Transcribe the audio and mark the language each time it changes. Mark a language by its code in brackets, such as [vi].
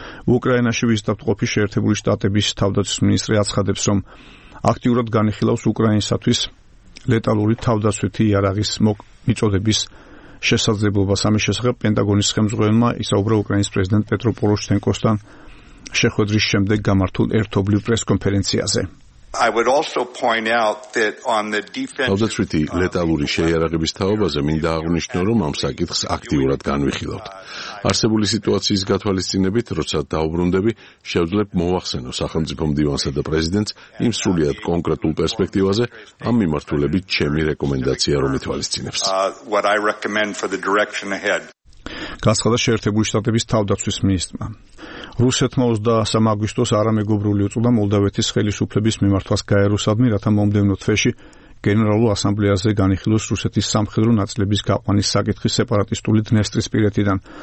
[ka] უკრაინაში ვიზიტად ყოფი შეერთებული შტატების თავდაცვის მინისტრი აცხადებს, რომ აქტიურად განიხილავს უკრაინისათვის ლეტალური თავდაცვითი იარაღის მიწოდების შესაძლებლობას. ამის შესახებ პენტაგონის ხელმძღვანელმა ისაუბრა უკრაინის პრეზიდენტ პეტრო პოროშენკოსთან შეხვედრის შემდეგ გამართულ ერთობლივ პრესკონფერენციაზე. [en] I would also point out that on the defense of the [ka] ლეტალური შეიარაღების თაობაზე მინდა აღნიშნო, რომ ამ საკითხს აქტიურად განვიხილავთ. არსებული სიტუაციის გათვალისწინებით, როცა დაუბრუნდები, შევძლებ მოახსენო სახელმწიფო მდივანსა და პრეზიდენტს იმ სრულიად კონკრეტულ პერსპექტივაზე ამ მიმართულებით ჩემი რეკომენდაცია რომ ითვალისწინებს. [en] What I recommend for the direction ahead. [ka] განცხადა შეერთებული შტატების თავდაცვის მინისტრმა. რუსეთმა 23 აგვისტოს არამეგობრული უწოდა მოლდავეთის ხელისუფლების მიმართვას გაეროსადმი, რათა მომდევნო თვეში გენერალურ ასამბლეაზე განიხილოს რუსეთის სამხედრო ნაწილების გაყვანის საკითხი სეპარატისტული დნესტრისპირეთიდან.